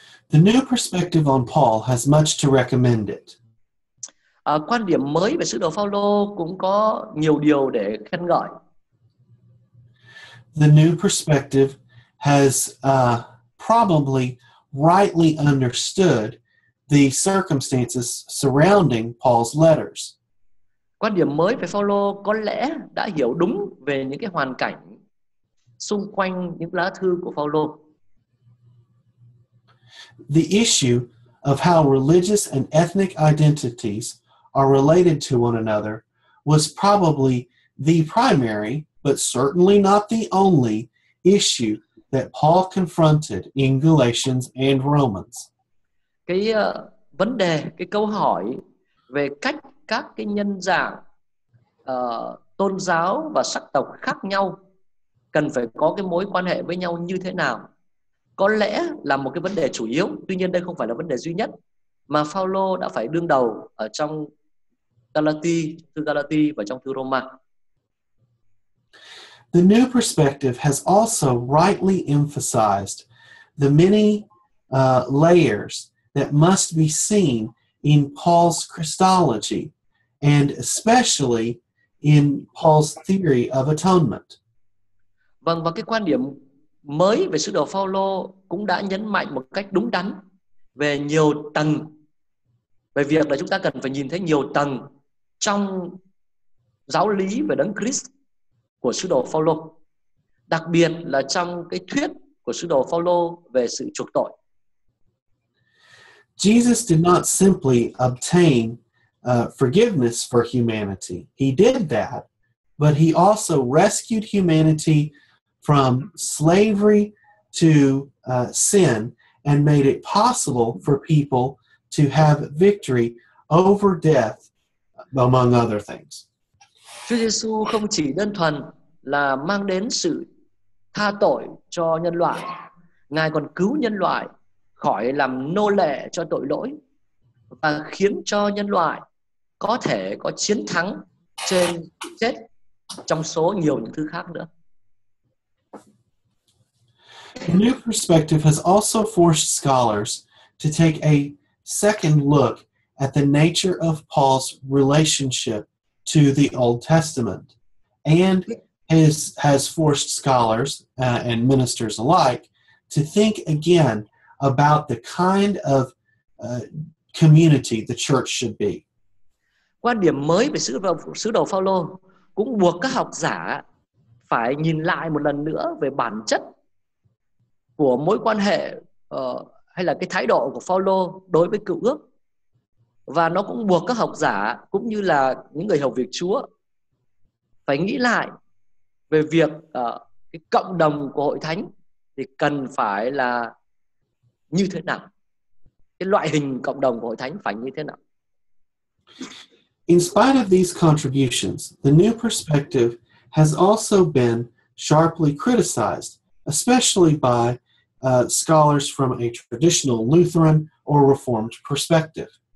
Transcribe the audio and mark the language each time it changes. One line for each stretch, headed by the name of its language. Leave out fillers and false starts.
English: The new perspective on Paul has much to recommend it.
Vietnamese: Quan điểm mới về sứ đồ Phaolô cũng có nhiều điều để khen ngợi.
English: The new perspective has probably rightly understood the circumstances surrounding Paul's letters.
Vietnamese: Quan điểm mới về Phaolô có lẽ đã hiểu đúng về những cái hoàn cảnh xung quanh những lá thư của Phaolô.
English: The issue of how religious and ethnic identities are related to one another was probably the primary, but certainly not the only, issue that Paul confronted in Galatians and Romans.
Vietnamese: Cái vấn đề, cái câu hỏi về cách các cái nhân dạng tôn giáo và sắc tộc khác nhau cần phải có cái mối quan hệ với nhau như thế nào, có lẽ là một cái vấn đề chủ yếu, tuy nhiên đây không phải là vấn đề duy nhất mà Phaolô đã phải đương đầu ở trong Galati, thư Galati và trong thư Roma.
English: The new perspective has also rightly emphasized the many layers that must be seen in Paul's Christology, and especially in Paul's theory of atonement.
Vietnamese: Vâng, và cái quan điểm mới về sứ đồ Phaolô cũng đã nhấn mạnh một cách đúng đắn về nhiều tầng, về việc là chúng ta cần phải nhìn thấy nhiều tầng trong giáo lý về đấng Christ của sứ đồ Phaolô, đặc biệt là trong cái thuyết của sứ đồ Phaolô về sự chuộc tội.
English: Jesus did not simply obtain forgiveness for humanity. He did that, but he also rescued humanity from slavery to sin and made it possible for people to have victory over death, among other things.
Vietnamese: Chúa Giêsu không chỉ đơn thuần là mang đến sự tha tội cho nhân loại, Ngài còn cứu nhân loại khỏi làm nô lệ cho tội lỗi và khiến cho nhân loại có thể có chiến thắng trên chết trong số nhiều những thứ khác nữa.
English: The new perspective has also forced scholars to take a second look at the nature of Paul's relationship to the Old Testament, and has forced scholars and ministers alike to think again about the kind of community the church should be.
Vietnamese: Quan điểm mới về sứ đồ Phaolô cũng buộc các học giả phải nhìn lại một lần nữa về bản chất của mối quan hệ hay là cái thái độ của Phaolô đối với cựu ước, và nó cũng buộc các học giả cũng như là những người hầu việc Chúa phải nghĩ lại về việc cái cộng đồng của hội thánh thì cần phải là như thế nào, cái loại hình cộng đồng của hội thánh phải như thế nào.
English: In spite of these contributions, the new perspective has also been sharply criticized, especially by scholars from a traditional Lutheran or Reformed perspective.